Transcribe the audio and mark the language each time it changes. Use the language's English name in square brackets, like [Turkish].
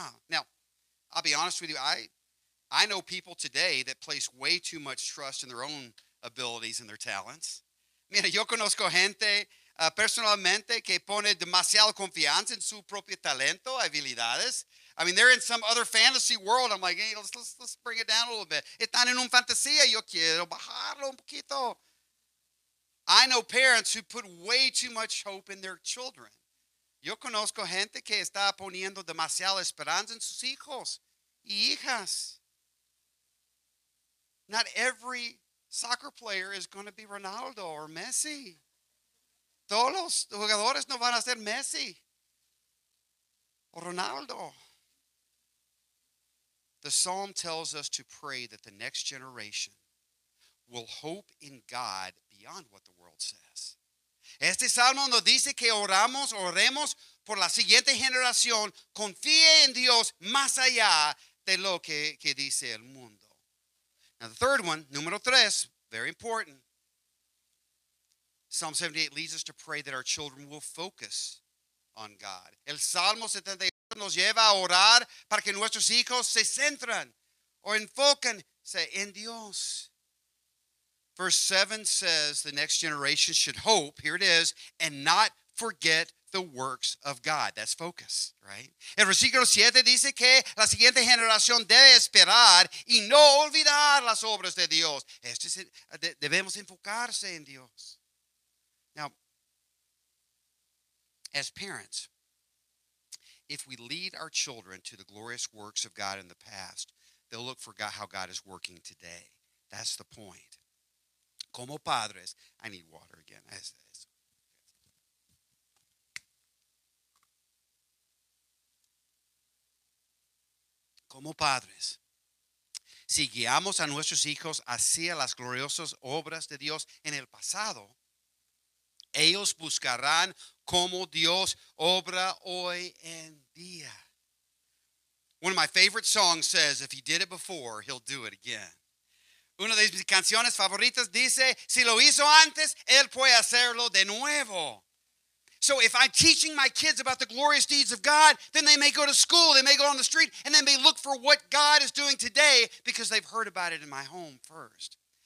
[English] Now, I'll be honest with you, I know people today that place way too much trust in their own abilities and their talents. [Spanish] Mira, yo conozco gente personalmente que pone demasiada confianza en su propio talento, habilidades. [English] I mean, they're in some other fantasy world. I'm like, hey, let's bring it down a little bit. [Spanish] Están en una fantasía, yo quiero bajarlo un poquito. [English] I know parents who put way too much hope in their children. [Spanish] Yo conozco gente que está poniendo demasiada esperanza en sus hijos y hijas. [English] Not every soccer player is going to be Ronaldo or Messi. [Spanish] Todos los jugadores no van a ser Messi. Ronaldo. [English] The psalm tells us to pray that the next generation will hope in God beyond what the world says. [Spanish] Este salmo nos dice que oremos por la siguiente generación, confíe en Dios más allá de lo que dice el mundo. [English] Now the third one, [Spanish] número tres, [English] very important. Psalm 78 leads us to pray that our children will focus on God. [Spanish] El Salmo 78 nos lleva a orar para que nuestros hijos se centren o enfóquense en Dios. [English] Verse 7 says the next generation should hope, here it is, and not forget the works of God. That's focus, right? [Spanish] El versículo 7 dice que la siguiente generación debe esperar y no olvidar las obras de Dios. Debemos enfocarse en Dios. [English] Now, as parents, if we lead our children to the glorious works of God in the past, they'll look for God, how God is working today. That's the point. [Spanish] Como padres, [English] I need water again. [Spanish] Como padres, si guiamos a nuestros hijos hacia las gloriosas obras de Dios en el pasado, ellos buscarán cómo Dios obra hoy en día. [English] One of my favorite songs says, if he did it before, he'll do it again. [Spanish] Una de mis canciones favoritas dice, si lo hizo antes, él puede hacerlo de nuevo. [English] So if I'm teaching my kids about the glorious deeds of God, then they may go to school, they may go on the street, and they may look for what God is doing today because they've heard about it in my home first.